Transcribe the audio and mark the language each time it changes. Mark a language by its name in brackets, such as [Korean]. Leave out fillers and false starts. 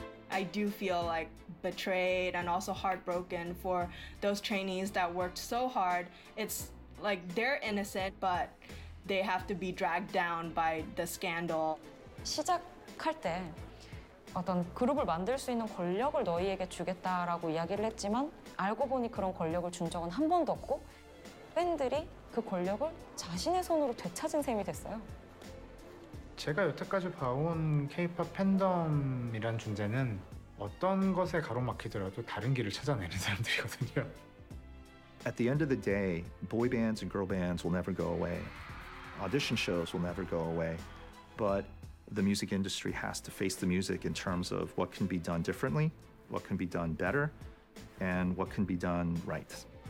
[English] I do feel like betrayed and also heartbroken for those trainees that worked so hard. It's like they're innocent, but they have to be dragged down by the scandal. [Korean] 시작할 때 어떤 그룹을 만들 수 있는 권력을 너희에게 주겠다라고 이야기를 했지만 알고 보니 그런 권력을 준 적은 한 번도 없고 팬들이 그 권력을 자신의 손으로 되찾은 셈이 됐어요. 제가 여태까지 봐온 K-pop 팬덤이란 존재는 어떤 것에 가로막히더라도 다른 길을 찾아내는 사람들이거든요. [English] At the end of the day, boy bands and girl bands will never go away. Audition shows will never go away. But the music industry has to face the music in terms of what can be done differently, what can be done better, and what can be done right.